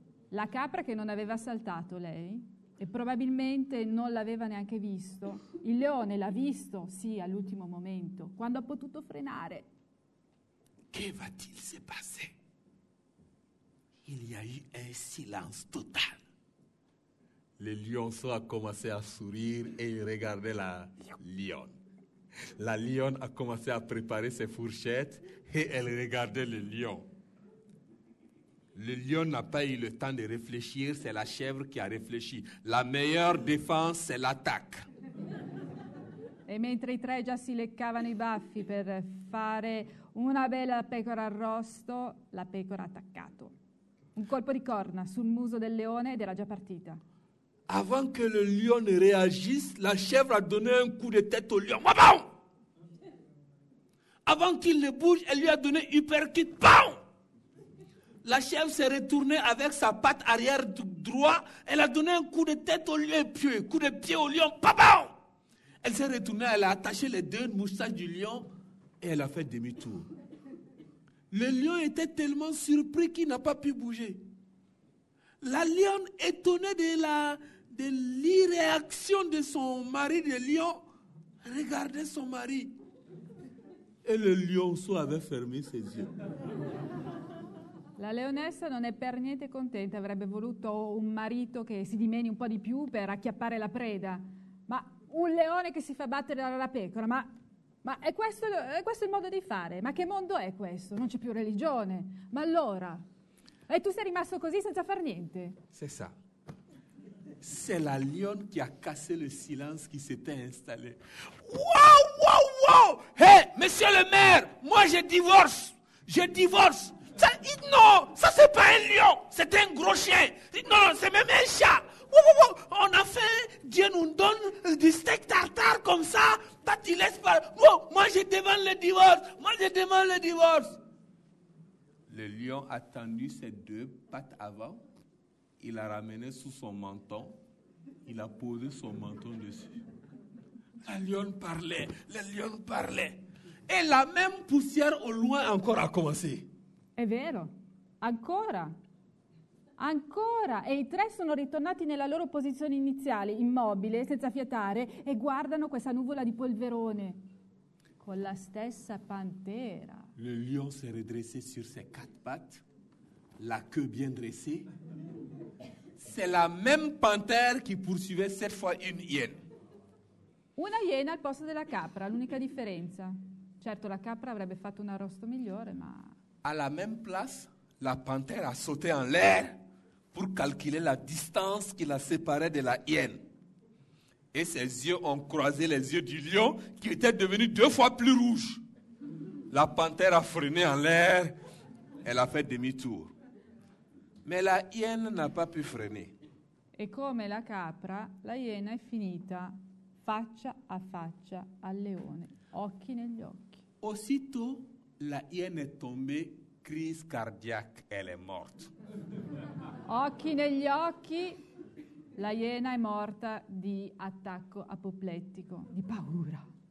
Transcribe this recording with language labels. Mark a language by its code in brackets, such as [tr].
[it] La capra che non aveva saltato lei e probabilmente non l'aveva neanche visto, il leone l'ha visto, sì, all'ultimo momento, quando ha potuto frenare. [fr] Che va-t-il se passer? Il y a eu un silence total. Le lionceau a commencé à sourire et il regardait la lionne. La lionne a commencé à préparer ses fourchettes et elle regardait le lion. Le lion n'a pas eu le temps de réfléchir, c'est la chèvre qui a réfléchi. La meilleure défense, c'est l'attaque. [it] E mentre i tre già si leccavano i baffi per fare una bella pecora arrosto, la pecora ha attaccato. Un colpo di corna sul muso del leone ed era già partita. [fr] Avant que le lion ne réagisse, la chèvre a donné un coup de tête au lion. Bam! Avant qu'il ne bouge, elle lui a donné un uppercut. Bam! La chèvre s'est retournée avec sa patte arrière droite. Elle a donné un coup de tête au lion. Un coup de pied au lion. Bam! Elle s'est retournée, elle a attaché les deux moustaches du lion et elle a fait demi-tour. Le lion était tellement surpris qu'il n'a pas pu bouger. La lionne, étonnée de l'irréaction de son mari de lion, regardait son mari. Et le lionceau avait fermé ses yeux. [it] La leonessa non è per niente contenta, avrebbe voluto un marito che si dimeni un po' di più per acchiappare la preda. Ma un leone che si fa battere dalla pecora, ma è questo il modo di fare? Ma che mondo è questo? Non c'è più religione. Ma allora... E tu sei rimasto così senza far niente. [fr] C'est ça. C'est la lionne qui a cassé le silence qui s'était installé. Wow, wow, wow! Hey, monsieur le maire, moi je divorce. Je divorce. Ça, non, ça c'est pas un lion, c'est un gros chien. Non, c'est même un chat. Wow, wow, wow. On a faim, Dieu nous donne du steak tartare comme ça. Toi, tu laisses pas. Wow, moi je demande le divorce. Moi je demande le divorce. Le lion a tendu ses deux pattes avant, il a ramené sous son menton, il a posé son menton dessus. La lionne parlait, la lionne parlait. Et la même poussière au loin encore a commencé. [it] È vero, ancora, ancora. E i tre sono ritornati nella loro posizione iniziale, immobile, senza fiatare, e guardano questa nuvola di polverone. Con la stessa pantera. [fr] Le lion s'est redressé sur ses quatre pattes, la queue bien dressée. C'est la même panthère qui poursuivait cette fois une hyène. [it] Una iena al posto della capra, l'unica differenza. Certo, la capra avrebbe fatto un arrosto migliore, ma... [fr] À la même place, la panthère a sauté en l'air pour calculer la distance qui la séparait de la hyène. Et ses yeux ont croisé les yeux du lion qui était devenu deux fois plus rouge. La panthère a freiné en l'air, elle a fait demi-tour. Mais la hyène n'a pas pu freiner. [it] E come la capra, la iena è finita faccia a faccia al leone, occhi negli occhi. [fr] Aussitôt, la hyène est tombée, crise cardiaque, elle est morte. [it] Occhi negli occhi, la iena è morta di attacco apoplettico, di paura.